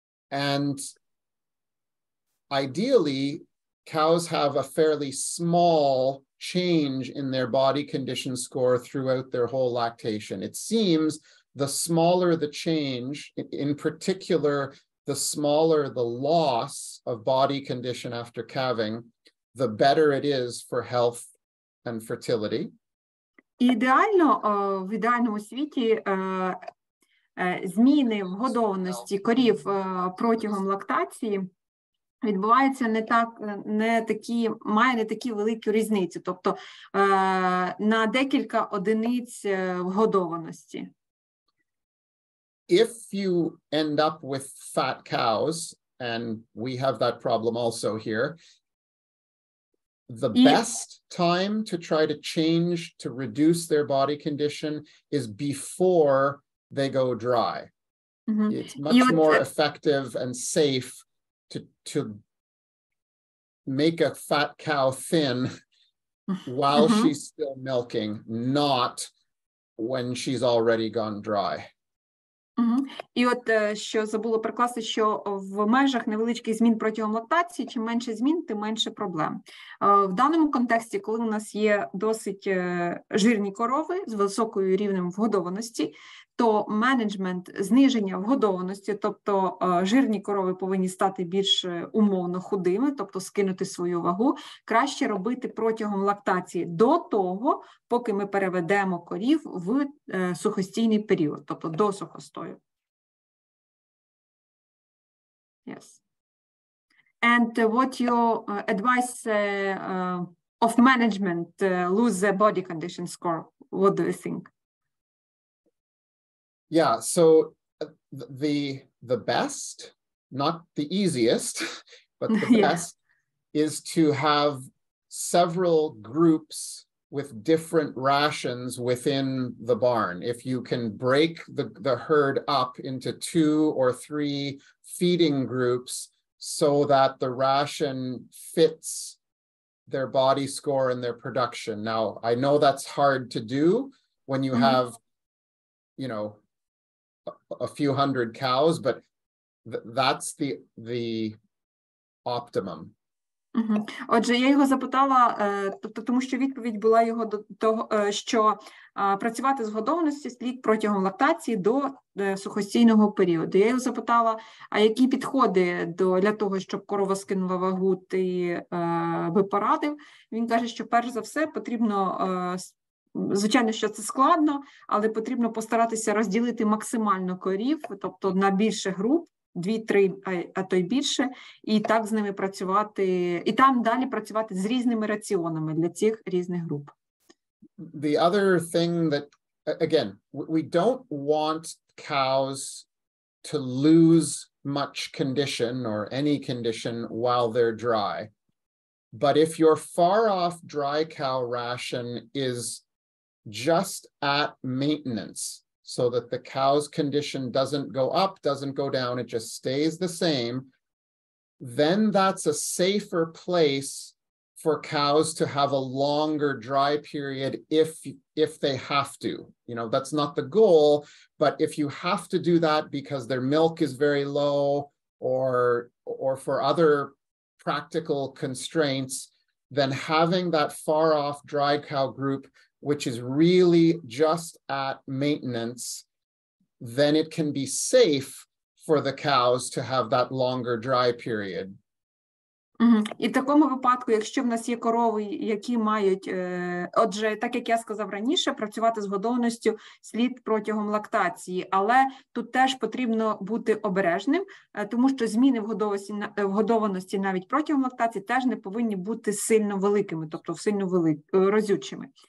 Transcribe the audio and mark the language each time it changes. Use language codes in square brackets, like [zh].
[en] And ideally, cows have a fairly small change in their body condition score throughout their whole lactation. It seems the smaller the change, in particular the smaller the loss of body condition after calving, the better it is for health and fertility. [uk] Ідеально, в ідеальному світі зміни в годовності корів протягом лактації відбуваються не так, не такі, має не такі великі різниці, тобто на декілька одиниць вгодованості. [en] If you end up with fat cows, and we have that problem also here, the best time to try to change, to reduce their body condition is before they go dry. Mm-hmm. It's much more effective and safe to make a fat cow thin while mm-hmm. she's still milking, not when she's already gone dry. Угу. [uk] І от що забула прикласти, що в межах невеличких змін протягом лактації, чим менше змін, тим менше проблем. В даному контексті, коли у нас є досить жирні корови з високою рівнем вгодованості, то менеджмент зниження вгодованості, тобто жирні корови повинні стати більш умовно худими, тобто скинути свою вагу, краще робити протягом лактації до того, поки ми переведемо корів в сухостійний період, тобто до сухостою. [en] Yes. And what your advice of management lose the body condition score? What do you think? Yeah, so the best, not the easiest, but the best is to have several groups with different rations within the barn. If you can break the herd up into two or three feeding groups so that the ration fits their body score and their production. Now, I know that's hard to do when you mm-hmm. have, you know, a few hundred cows, but that's the optimum. Угу. [uk] Отже, я його запитала, тобто, тому що відповідь була його до того, що працювати з годовністю слід протягом лактації до сухостійного періоду. Я його запитала, а які підходи для того, щоб корова скинула вагу, ти би порадив? Він каже, що перш за все потрібно звичайно, що це складно, але потрібно постаратися розділити максимально корів, тобто на більше груп, 2-3, а то й більше, і так з ними працювати, і там далі працювати з різними раціонами для цих різних груп. [en] The other thing that, again, we don't want cows to lose much condition or any condition while they're dry. But if your far off dry cow ration is just at maintenance, so that the cow's condition doesn't go up, doesn't go down, it just stays the same, then that's a safer place for cows to have a longer dry period if they have to. You know, that's not the goal, but if you have to do that because their milk is very low or for other practical constraints, then having that far off dry cow group which is really just at maintenance, then it can be safe for the cows to have that longer dry period. Mm-hmm. [uk] І в такому випадку, якщо в нас є корови, які мають, отже, так як я сказав раніше, працювати з годовністю слід протягом лактації, але тут теж потрібно бути обережним, тому що зміни в годовності навіть протягом лактації теж не повинні бути сильно великими, тобто сильно розючими.